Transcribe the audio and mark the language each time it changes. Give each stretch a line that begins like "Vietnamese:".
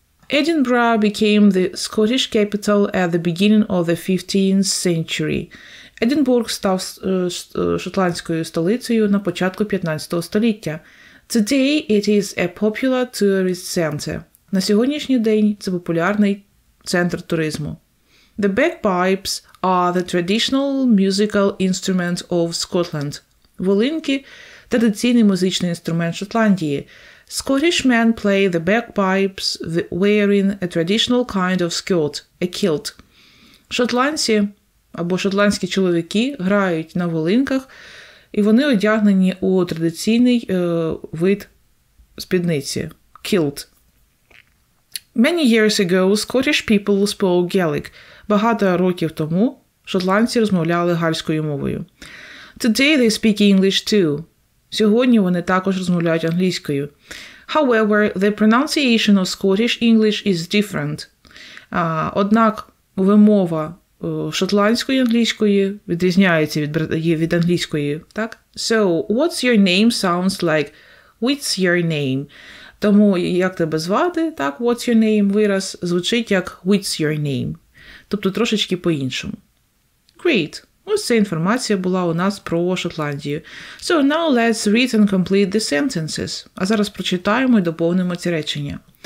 English: Edinburgh became the Scottish capital at the beginning of the 15th century.
Ukrainian: Edinburgh став шотландською столицею на початку 15 століття.
English: Today it is a popular tourist center.
Ukrainian: На сьогоднішній день це популярний центр туризму.
English: The bagpipes are the traditional musical instrument of Scotland.
Ukrainian: Волинки – традиційний музичний інструмент Шотландії.
English: Scottish men play the bagpipes wearing a traditional kind of skirt, a kilt.
Ukrainian: Шотландці або шотландські чоловіки грають на волинках, і вони одягнені у традиційний вид спідниці – kilt.
English: Many years ago, Scottish people spoke Gaelic.
Ukrainian: Багато років тому шотландці розмовляли гальською мовою.
English: Today they speak English too.
Ukrainian: Сьогодні вони також розмовляють англійською.
English: However, the pronunciation of Scottish English is different.
Ukrainian: Однак вимова шотландської англійської відрізняється від англійської, так?
English: So, what's your name sounds like? What's your name?
Ukrainian: Тому, як тебе звати, так,
English: what's your name,
Ukrainian: вираз звучить як what's your name. Тобто, трошечки по-іншому.
English: Great.
Ukrainian: Ось ця інформація була у нас про Шотландію.
English: So, now let's read and complete the sentences.
Ukrainian: А зараз прочитаємо і доповнимо ці речення.